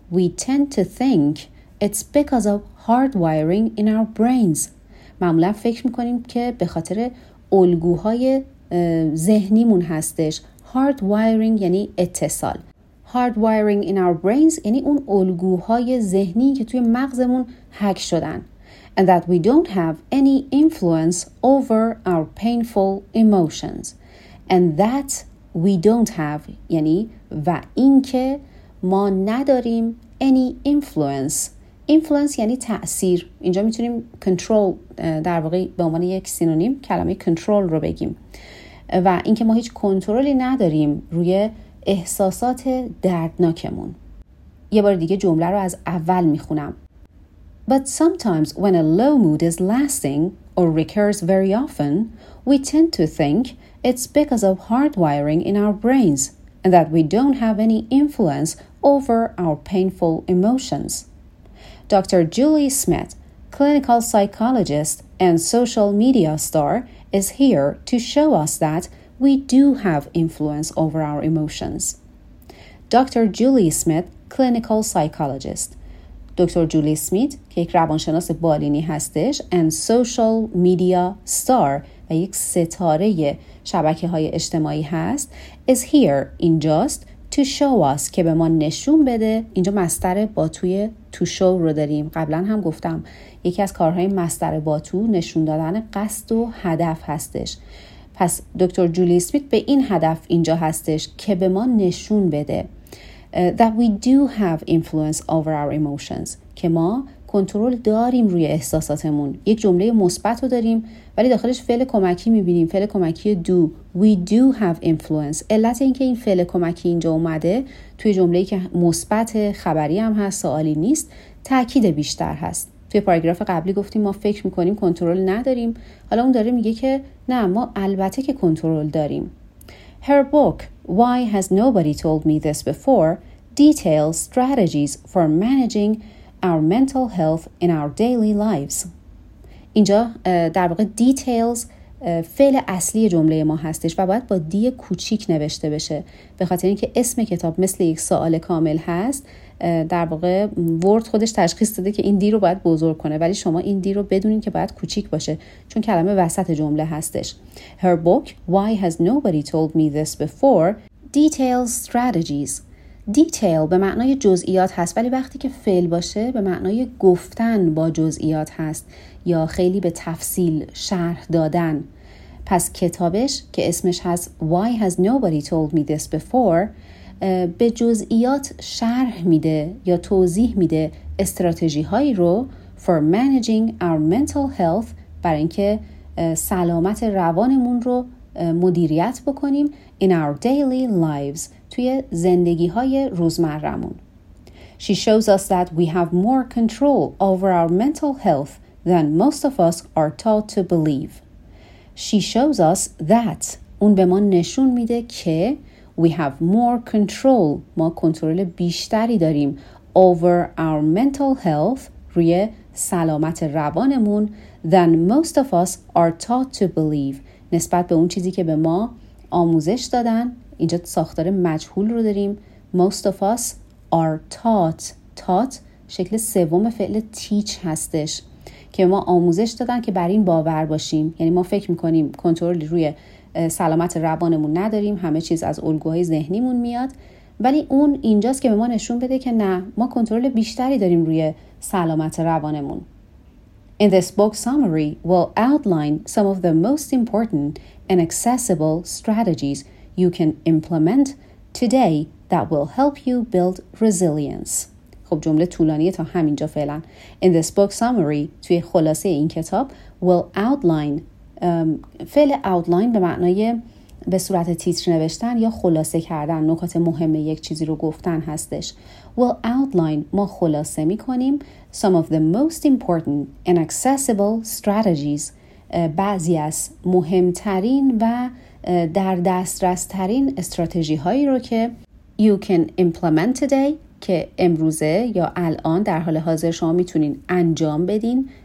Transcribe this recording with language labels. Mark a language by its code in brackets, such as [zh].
[en] We tend to think it's because of hardwiring in our brains. [fa] معمولاً فکر میکنیم که به خاطر الگوهای ذهنیمون هستش. Hardwiring یعنی اتصال. [en] Hardwiring in our brains [fa] یعنی اون الگوهای ذهنی که توی مغزمون هک شدن. [en] And that we don't have any influence over our painful emotions. And that we don't have, [fa] یعنی و این که ما نداریم [en] any influence. [fa] Influence یعنی تأثیر. اینجا میتونیم control در واقع به عنوان یک سینونیم کلمه control رو بگیم. و این که ما هیچ کنترلی نداریم روی احساسات دردناکمون. یه بار دیگه جمله رو از اول میخونم. [en] But sometimes when a low mood is lasting or recurs very often, we tend to think it's because of hardwiring in our brains and that we don't have any influence over our painful emotions. Dr. Julie Smith, clinical psychologist and social media star, is here to show us that we do have influence over our emotions. Dr. Julie Smith, clinical psychologist. [fa] دکتر جولی اسمیت که یک روانشناس بالینی هستش [en] and social media star [fa] و یک ستاره شبکه‌های اجتماعی هست [en] is here [fa] اینجاست [en] to show us [fa] که به ما نشون بده. اینجا مصدر با توی to show رو داریم. قبلا هم گفتم یکی از کارهای مصدر با تو نشون دادن قصد و هدف هستش. پس دکتر جولی اسمیت به این هدف اینجا هستش که به ما نشون بده [en] that we do have influence over our emotions. [fa] که ما کنترل داریم روی احساساتمون. یک جمله مثبت رو داریم ولی داخلش فعل کمکی میبینیم. فعل کمکی [en] do. We do have influence. [fa] علت اینکه این فعل کمکی اینجا اومده توی جمله‌ای که مثبت خبری هم هست، سوالی نیست، تأکید بیشتر هست. توی پاراگراف قبلی گفتیم ما فکر میکنیم کنترل نداریم. حالا اون داره میگه که نه، ما البته که کنترل داریم. [en] Her book, Why Has Nobody Told Me This Before, details strategies for managing our mental health in our daily lives. [fa] اینجا در واقع details فعل اصلی جمله ما هستش و باید با دی کوچیک نوشته بشه به خاطر اینکه اسم کتاب مثل یک سوال کامل هست. در واقع ورد خودش تشخیص داده که این دی رو باید بزرگ کنه، ولی شما این دی رو بدونین که باید کوچیک باشه چون کلمه وسط جمله هستش. [en] Her book Why Has Nobody Told Me This Before details strategies. [fa] Detail به معنای جزئیات هست، ولی وقتی که فعل باشه به معنای گفتن با جزئیات هست یا خیلی به تفصیل شرح دادن. پس کتابش که اسمش هست Why Has Nobody Told Me This Before به جزئیات شرح میده یا توضیح میده استراتژی هایی رو [en] For Managing Our Mental Health، [fa] برای اینکه سلامت روانمون رو مدیریت بکنیم، [en] In Our Daily Lives، [fa] توی زندگی های روزمرمون. [en] She shows us that we have more control over our mental health than most of us are taught to believe. She shows us that. [fa] اون به ما نشون میده که [en] we have more control. [fa] ما کنترل بیشتری داریم [en] over our mental health. [fa] روی سلامت روانمون [en] than most of us are taught to believe. [fa] نسبت به اون چیزی که به ما آموزش دادن. اینجا ساختار مجهول رو داریم. [en] Most of us are taught. Taught [fa] شکل سوم فعل teach هستش. که ما آموزش دادن که بر این باور باشیم، یعنی ما فکر میکنیم کنترل روی سلامت روانمون نداریم، همه چیز از الگوهای ذهنیمون میاد، ولی اون اینجاست که به ما نشون بده که نه، ما کنترل بیشتری داریم روی سلامت روانمون. [en] In this book summary we'll outline some of the most important and accessible strategies you can implement today that will help you build resilience. [fa] خب جمله طولانیه تا همینجا فعلا. [en] In this book summary، [fa] توی خلاصه این کتاب، [en] will outline، [fa] فعل outline به معنای به صورت تیتر نوشتن یا خلاصه کردن، نکات مهم یک چیزی رو گفتن هستش. [en] Will outline، [fa] ما خلاصه می کنیم [en] some of the most important and accessible strategies، [fa] بعضی از مهمترین و در دسترس ترین استراتژی هایی رو که [en] you can implement today، [fa] که امروزه یا الان در حال حاضر شما میتونین انجام بدین.